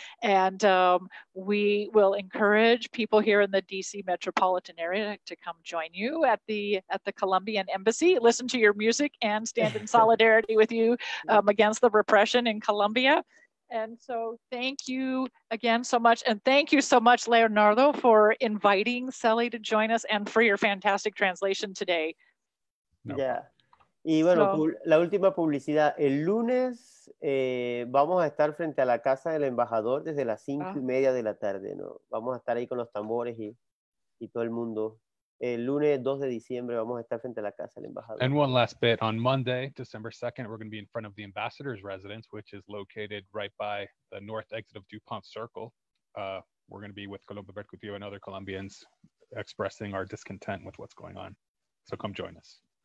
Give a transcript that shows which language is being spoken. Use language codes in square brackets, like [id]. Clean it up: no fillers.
[en] And we will encourage people here in the DC metropolitan area to come join you at the Colombian embassy, listen to your music, and stand in solidarity with you against the repression in Colombia. And so thank you again so much. And thank you so much, Leonardo, for inviting Sally to join us and for your fantastic translation today. [es] No. Yeah. Y bueno, so, la última publicidad. El lunes vamos a estar frente a la casa del embajador desde las 5:30 de la tarde, ¿no? Vamos a estar ahí con los tambores y todo el mundo. El lunes 2 de diciembre vamos a estar frente a la casa del embajador. [en] And one last bit. On Monday, December 2nd, we're going to be in front of the ambassador's residence, which is located right by the north exit of DuPont Circle. We're going to be with Colombia Bercutio and other Colombians expressing our discontent with what's going on. So come join us.